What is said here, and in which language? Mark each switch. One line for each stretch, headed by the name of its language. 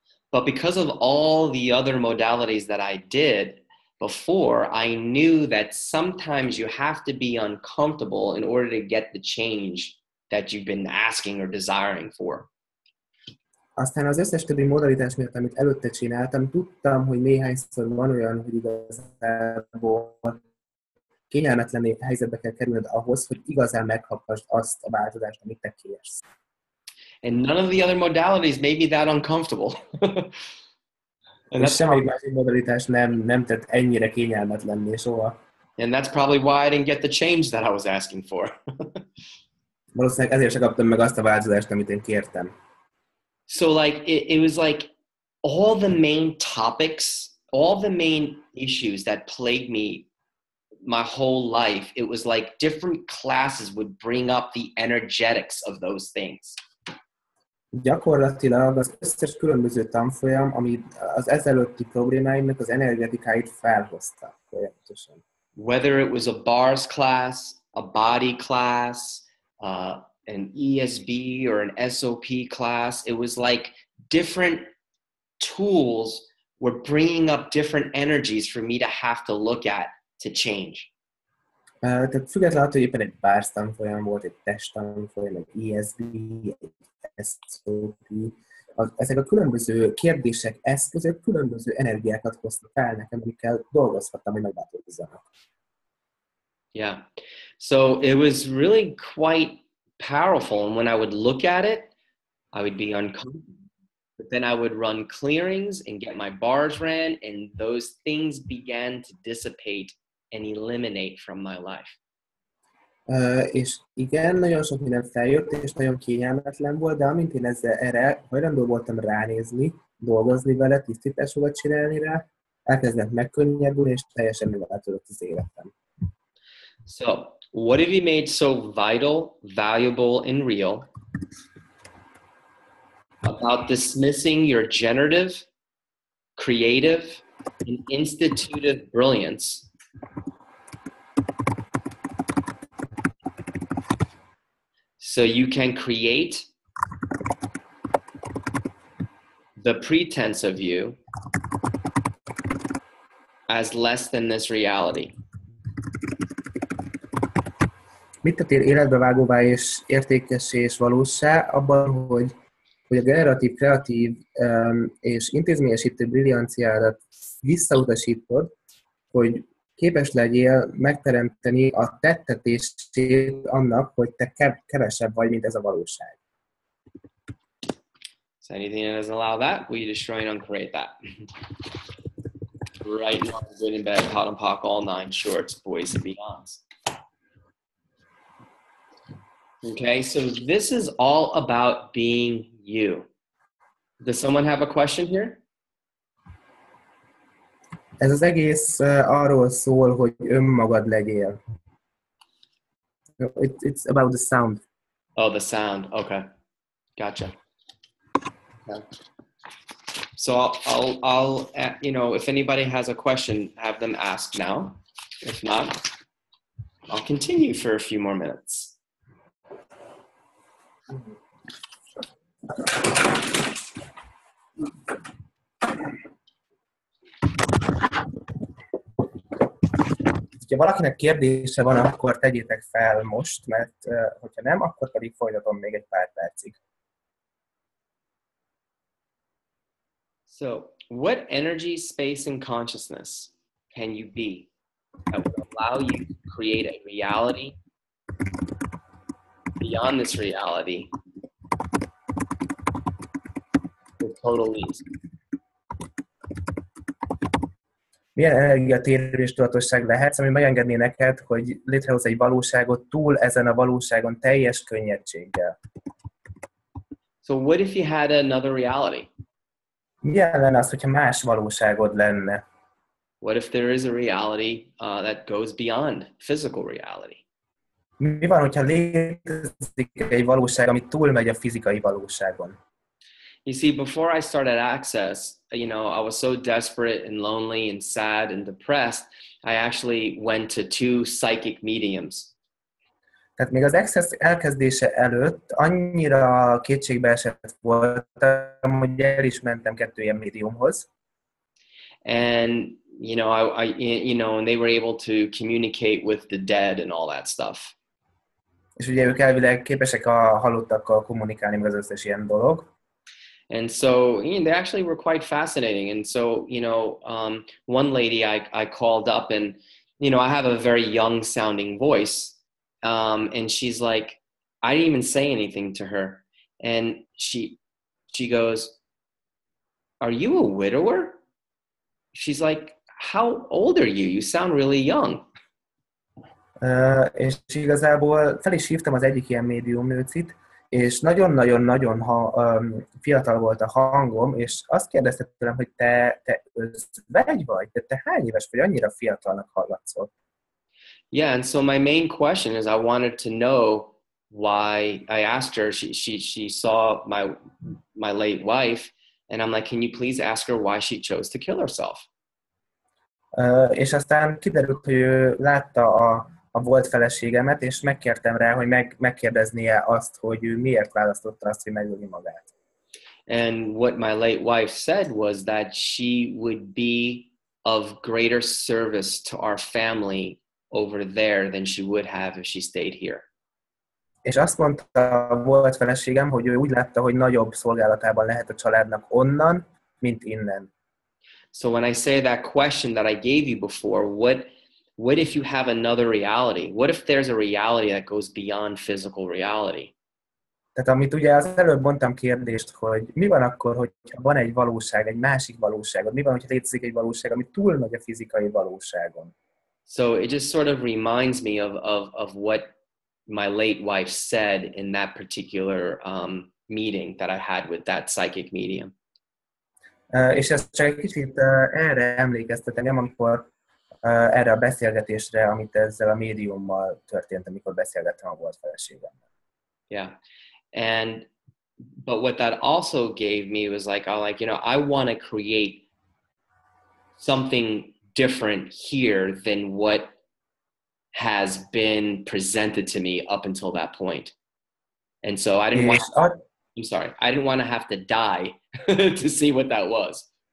English: But because of all the other modalities that I did before, I knew that sometimes you have to be uncomfortable in order to get the change that you've been asking or desiring for.
Hungarian: Aztán az összes többi modalitás miatt, amit előtte csináltam, tudtam, hogy néhányszor van olyan, hogy igazából kényelmetlen helyzetbe kell kerülned ahhoz, hogy igazán megkaphassd azt a változást, amit te kérsz.
English: And none of the other modalities may be that uncomfortable. And that's
Hungarian: semmi más modalitás nem tett ennyire kényelmetlenné soha.
English: And that's probably why I didn't get the change that I was asking for.
Hungarian: Valószínűleg ezért se kaptam meg azt a változást, amit én kértem.
English: So like, it was like all the main topics, all the main issues that plagued me my whole life, it was like different classes would bring up the energetics of those things.
Hungarian: Gyakorlatilag az összes különböző tanfolyam, ami az ezelőtti problémáimnak az energetikáit felhozta folyamatosan.
English: Whether it was a bars class, a body class, an ESB or an SOP class, it was like different tools were bringing up different energies for me to have to look at to change.
Hungarian: Tehát függetlenül attól, hogy éppen egy bars tanfolyam volt, egy test tanfolyam, egy ESB, egy SOP, ezek a különböző kérdések, eszközök különböző energiákat hoztak fel nekem, amikkel dolgozhattam, hogy megváltozzanak.
English: Yeah. So it was really quite powerful, and when I would look at it, I would be uncomfortable. But then I would run clearings and get my bars ran, and those things began to dissipate and eliminate from my life.
Hungarian: És igen, nagyon sok minden feljött, és nagyon kényelmetlen volt, de amint én ezzel erre hajlandó voltam ránézni, dolgozni vele, tisztításokat csinálni rá, elkezdett megkönnyebbülni, és teljesen megváltozott az életem.
English: So, what have you made so vital, valuable, and real about dismissing your generative, creative, and institutive brilliance? So you can create the pretense of you as less than this reality.
Hungarian: Mit tettél életbe vágóvá és értékessé és valóssá abban, hogy hogy a generatív, kreatív és intézményesítő brillianciádat visszautasítod, hogy képes legyél megteremteni a tettetését annak, hogy te kevesebb vagy, mint ez a valóság.
English: So anything that doesn't allow that, will you destroy and uncreate that? Right now, I'm sitting in bed, hot and pock, all nine shorts, boys and beyonds. Okay, so this is all about being you. Does someone have a question here?
Hungarian: Ez az egész arról szól, hogy önmagad legyél.
English: It's about the sound. Oh, the sound. Okay. Gotcha. So I'll you know, if anybody has a question, have them ask now. If not, I'll continue for a few more minutes.
Hungarian: Ha valakinek kérdése van, akkor tegyétek fel most, mert hogyha nem, akkor pedig folytatom még egy pár percig.
English: So, what energy, space, and consciousness can you be that will allow you to create a reality beyond this reality with total ease?
Hungarian: Milyen energiatérő és tudatosság lehetsz, ami megengedné neked, hogy létrehoz egy valóságot túl ezen a valóságon teljes könnyedséggel?
English: So what if you had another reality?
Hungarian: Milyen lenne az, hogyha más valóságod lenne?
English: What if there is a reality that goes beyond physical reality?
Hungarian: Mi van, hogyha létezik egy valóság, ami túlmegy a fizikai valóságon?
English: You see, before I started Access, you know, I was so desperate and lonely and sad and depressed, I actually went to two psychic mediums.
Hungarian: Tehát még az Access elkezdése előtt annyira kétségbeesett voltam, hogy el is mentem kettő ilyen médiumhoz.
English: And, you know, and they were able to communicate with the dead and all that stuff.
Hungarian: És ugye ők elvileg képesek a halottakkal kommunikálni, meg az összes ilyen dolog.
English: And so, you know, they actually were quite fascinating. And so, you know, one lady I called up, and, you know, I have a very young sounding voice. And she's like, I didn't even say anything to her. And she goes, are you a widower? She's like, how old are you? You sound really young.
Hungarian: És igazából fel is hívtam az egyik ilyen médium nőcit. És nagyon-nagyon-nagyon fiatal volt a hangom, és azt kérdezte tőlem, hogy te özvegy vagy? Te hány éves vagy? Annyira fiatalnak hallatszol.
English: Yeah, and so my main question is I wanted to know why I asked her, she saw my late wife, and I'm like, can you please ask her why she chose to kill herself?
Hungarian: És aztán kiderült, hogy ő látta a volt feleségemet, és megkértem rá, hogy megkérdeznie azt, hogy ő miért választotta azt, hogy megölni magát.
English: And what my late wife said was that she would be of greater service to our family over there than she would have if she stayed here.
Hungarian: És azt mondta a volt feleségem, hogy ő úgy látta, hogy nagyobb szolgálatában lehet a családnak onnan, mint innen.
English: So when I say that question that I gave you before, what if you have another reality? What if there's a reality that goes beyond physical reality?
Hungarian: Tehát amit ugye az előbb mondtam kérdést, hogy mi van akkor, hogyha van egy valóság, egy másik valóság, mi van, hogyha létezik egy valóság, ami túl nagy a fizikai valóságon?
English: So it just sort of reminds me of what my late wife said in that particular meeting that I had with that psychic medium.
Hungarian: És ez csak egy kicsit erre emlékeztet engem, amikor erre a beszélgetésre, amit ezzel a médiummal történt, amikor beszélgettem a volt feleségemmel.
English: Yeah. And but what that also gave me was like, I like, you know, I want to create something different here than what has been presented to me up until that point. And so I didn't want to have to die to see what that was.